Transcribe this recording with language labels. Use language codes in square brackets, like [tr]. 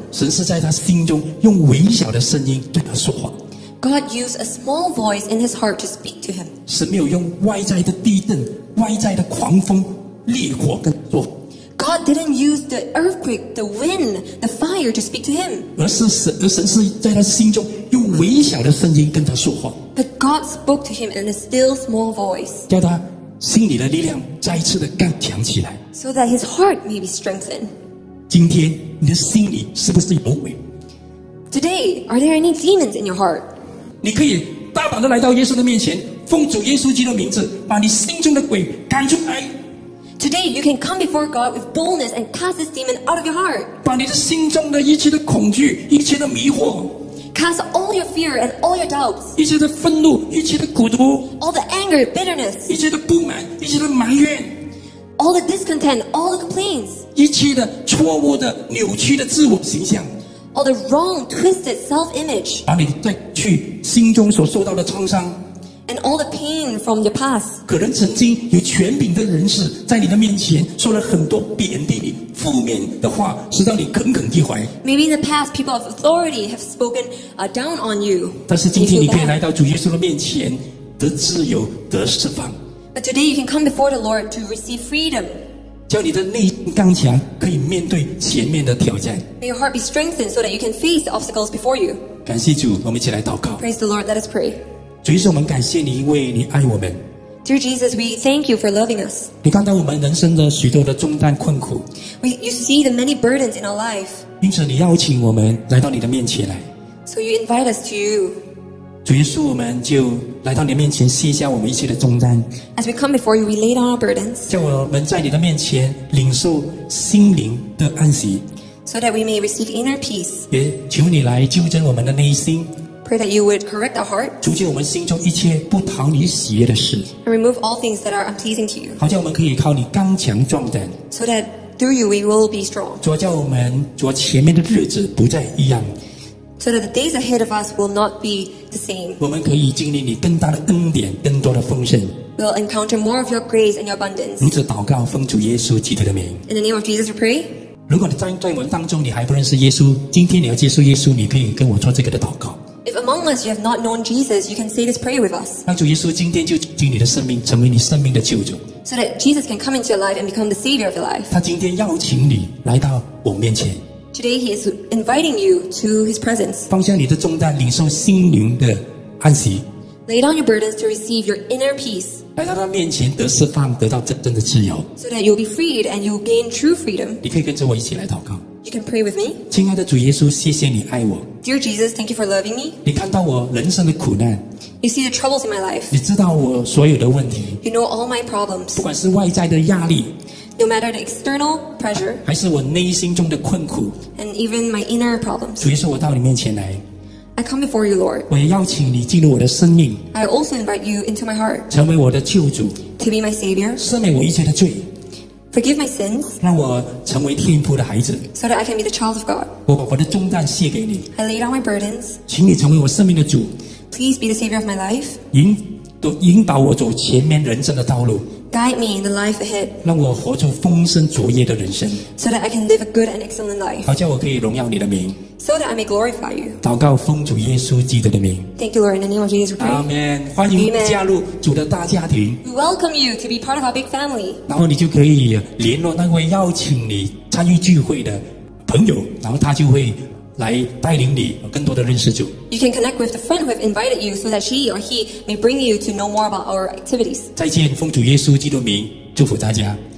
[zh] 神是在他心中用微小的声音对他说话。 [en] God used a small voice in his heart to speak to him. [zh] 神没有用外在的地震、外在的狂风烈火跟做 [en] God didn't use the earthquake, the wind, the fire to speak to him. [zh] 而神是在他心中用微小的声音跟他说话。 [en] But God spoke to him in a still small voice. [zh] 叫他心里的力量再一次的更强起来。 [en] So that his heart may be strengthened. [zh] 今天你的心里是不是有鬼？ [en] Today, are there any demons in your heart? [zh] 你可以大胆的来到耶稣的面前，奉主耶稣基督的名字，把你心中的鬼赶出来。 [en] Today, you can come before God with boldness and cast this demon out of your heart. [zh] 把你的心中的一切的恐惧，一切的迷惑。 [en] Cast all your fear and all your doubts. [zh] 一切的愤怒，一切的苦毒。 [en] All the anger, bitterness. [zh] 一切的不满，一切的埋怨。 [en] All the discontent, all the complaints. [zh] 一切的错误的、扭曲的自我形象。 [en] All the wrong, twisted self-image. [zh] 把你再去心中所受到的创伤。 [en] And all the pain from your past. [zh] 可能曾经有权柄的人士在你的面前说了很多贬低你、负面的话，使到你耿耿于怀。 [en] Maybe in the past, people of authority have spoken down on you. [zh] 但是今天你可以来到主耶稣的面前，得自由，得释放。 [en] But today you can come before the Lord to receive freedom. [zh] 叫你的内心刚强，可以面对前面的挑战。 [en] May your heart be strengthened so that you can face the obstacles before you. [zh] 感谢主，我们一起来祷告。 [en] Praise the Lord. Let us pray. [zh] 主耶稣，我们感谢你，因为你爱我们。 [en] Dear Jesus, we thank you for loving us. [zh] 你看到我们人生的许多的重担困苦。 [en] You see the many burdens in our life. [zh] 因此，你邀请我们来到你的面前来。 [en] So you invite us to you. [zh] 主耶稣，我们就来到你的面前，卸下我们一切的重担。 [en] As we come before you, we lay down our burdens. [zh] 叫我们在你的面前领受心灵的安息。 [en] So that we may receive inner peace. [zh] 也求你来纠正我们的内心。 [en] Pray that you would correct our heart. [zh] 除去我们心中一切不讨你喜悦的事。 [en] And remove all things that are unpleasing to you. [zh] 好叫我们可以靠你刚强壮胆。 [en] So that through you we will be strong. [zh] 主啊，叫我们主啊，前面的日子不再一样。 [en] So that the days ahead of us will not be the same. [zh] 我们可以经历你更大的恩典，更多的丰盛。 [en] We'll encounter more of your grace and your abundance. [zh] 如此祷告，奉主耶稣基督的名。 [en] In the name of Jesus, we pray. [zh] 如果你在我们当中你还不认识耶稣，今天你要接受耶稣，你可以跟我做这个的祷告。 [en] If among us you have not known Jesus, you can say this prayer with us. [zh] 让主耶稣今天就进你的生命，成为你生命的救主。 [en] So that Jesus can come into your life and become the savior of your life. [zh] 他今天邀请你来到我面前。 [en] Today he is inviting you to his presence. [zh] 放下你的重担，领受心灵的安息。 [en] Lay down your burdens to receive your inner peace. [zh] 来到他面前得释放，得到真正的自由。 [en] So that you'll be freed and you'll gain true freedom. [zh] 你可以跟着我一起来祷告。 [en] You can pray with me. [zh] 亲爱的主耶稣，谢谢你爱我。 [en] Dear Jesus, thank you for loving me. [zh] 你看到我人生的苦难。 [en] You see the troubles in my life. [zh] 你知道我所有的问题。 [en] You know all my problems. [zh] 不管是外在的压力。 [en] No matter the external pressure. [zh] 还是我内心中的困苦。 [en] And even my inner problems. [zh] 主耶稣，我到你面前来。 [en] I come before you, Lord. [zh] 我也邀请你进入我的生命。 [en] I also invite you into my heart. [zh] 成为我的救主。 [en] To be my savior. [zh] 赦免我一切的罪。 [en] Forgive my sins. [zh] 让我成为天父的孩子。 [en] So that I can be the child of God. [zh] 我把我的重担卸给你。 [en] I lay down my burdens. [zh] 请你成为我生命的主。 [en] Please be the savior of my life. [zh] 引导我走前面人生的道路。 [en] Guide me in the life ahead. [zh] 让我活出丰盛卓越的人生。 [en] So that I can live a good and excellent life. [zh] 好叫我可以荣耀你的名。 [en] So that I may glorify you. [zh] 祷告奉主耶稣基督的名。 [en] Thank you, Lord, in the name of Jesus Christ. [zh] Amen. 欢迎加入主的大家庭。 [en] We welcome you to be part of our big family. [zh] 然后你就可以联络那位邀请你参与聚会的朋友，然后他就会来带领你更多的认识主。 [en] You can connect with the friend who have invited you so that she or he may bring you to know more about our activities. [zh] 再见，奉主耶稣基督名祝福大家。